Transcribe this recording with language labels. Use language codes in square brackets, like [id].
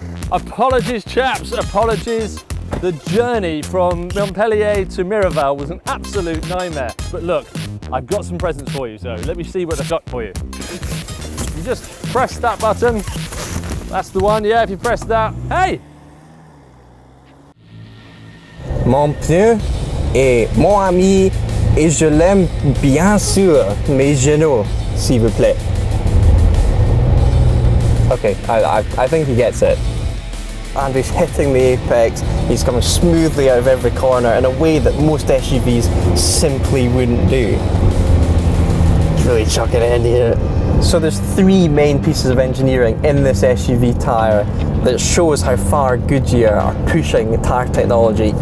[en] Apologies, chaps, apologies. The journey from Montpellier to Mireval was an absolute nightmare. But look, I've got some presents for you, so let me see what I've got for you. You just press that button. That's the one, yeah, if you press that. Hey! [fr] Mon pneu est mon ami et je l'aime bien sûr, mes genoux, s'il vous plaît. [en] Okay, I think he gets it. Andy's hitting the apex, he's coming smoothly out of every corner in a way that most SUVs simply wouldn't do. He's really chucking it in here. So there's three main pieces of engineering in this SUV tyre that shows how far Goodyear are pushing tyre technology.